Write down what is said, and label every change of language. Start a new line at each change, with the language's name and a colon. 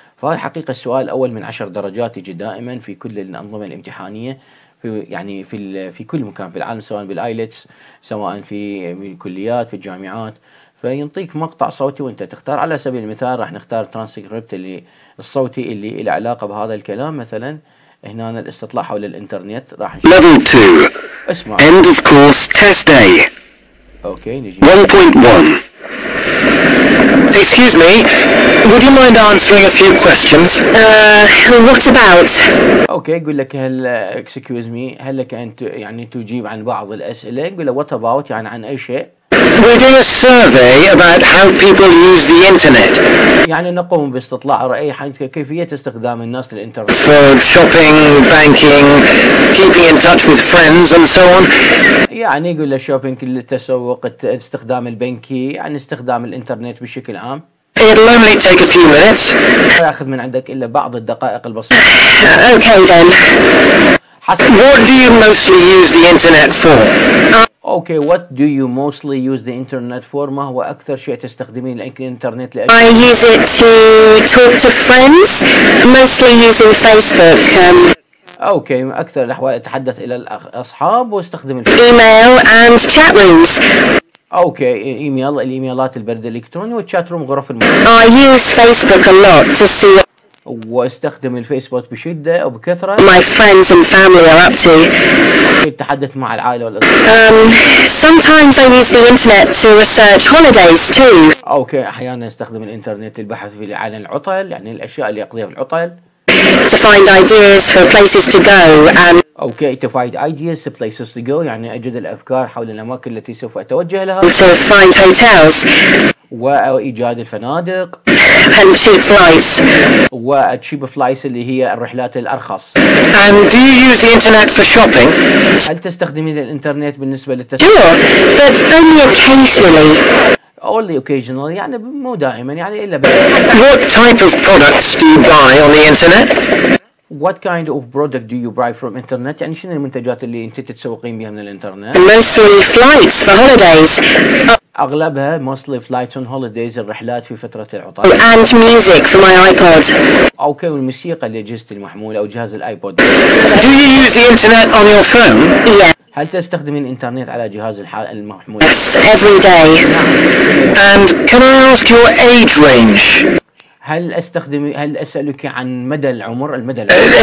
Arabic: فهذا حقيقة السؤال أول من 10 درجات يجي دائما في كل الأنظمة الامتحانية في يعني في كل مكان في العالم، سواء بالآيلتس سواء في الكليات في الجامعات. فينطيك مقطع صوتي وانت تختار. على سبيل المثال راح نختار ترانسكريبت اللي الصوتي اللي له علاقة بهذا الكلام. مثلا هنا الاستطلاع حول الانترنت راح
English: Level 2
Arabic: اسمع
English: End of course test day
Arabic: اوكي نجي
English: 1.1 Excuse me, would you mind answering a few questions? What about?
Arabic: Okay, يقول لك هل
English: excuse me
Arabic: هل لك أنت يعني تجيب عن بعض الأسئلة؟ يقول له
English: what about
Arabic: يعني عن أي شيء؟
English: We're doing a survey about how people use the internet.
Arabic: يعني نقوم باستطلاع رأي حق كيفية استخدام الناس للإنترنت.
English: For shopping, banking, keeping in touch with friends and so on.
Arabic: يعني يقول الشوبينج للتسوق استخدام البنكي يعني استخدام الإنترنت بشكل عام.
English: It'll only take a few minutes.
Arabic: أخذ من عندك إلا بعض الدقائق البسيطة.
English: Okay then. What do you mostly use the internet for? Okay, what do you mostly use the internet for?
Arabic: ما هو أكثر شيء تستخدمين الإنترنت لأجل؟
English: I use it to talk to friends, mostly using Facebook.
Arabic: Okay, أكثر الأحوال أتحدث إلى الأصحاب واستخدم
English: email and chat rooms.
Arabic: Okay,
English: email,
Arabic: الإيميلات البريد الإلكتروني والشات روم غرف المكتب.
English: I use Facebook a lot to see.
Arabic: واستخدم الفيسبوك بشدة أو بكثرة.
English: My friends and family are up to.
Arabic: تحدث مع العائلة والأصدقاء.
English: Sometimes I use the internet to research holidays too.
Arabic: Okay, أحيانا استخدم الإنترنت للبحث في عن العطل يعني الأشياء اللي أقضيها في العطل.
English: To find ideas for places to go and.
Arabic: Okay,
English: to find ideas for places to go
Arabic: يعني أجد الأفكار حول الأماكن التي سوف أتوجه لها.
English: To find hotels.
Arabic: وإيجاد الفنادق.
English: And cheap flights.
Arabic: و
English: cheap flights
Arabic: اللي هي الرحلات الأرخص.
English: And do you use the internet for shopping?
Arabic: هل تستخدمين الإنترنت بالنسبة للتسوق؟
English: Sure, but only occasionally. Only occasionally
Arabic: يعني مو دائما يعني إلا.
English: What type of products do you buy on the internet? What kind of product do you buy from internet?
Arabic: يعني شنو المنتجات اللي انت تتسوقين بها من الانترنت؟
English: Mostly flights for holidays.
Arabic: أغلبها
English: mostly flights on holidays,
Arabic: الرحلات في فترة العطلات.
English: And music for my iPod.
Arabic: أوكي, والموسيقى لأجهزة المحمول أو جهاز الآيبود.
English: Do you use the internet on your phone? Yeah.
Arabic: هل تستخدمين الإنترنت على جهاز المحمول؟
English: Yes, every day. And can I ask your age range?
Arabic: هل أسألك عن مدى العمر؟ المدى العمر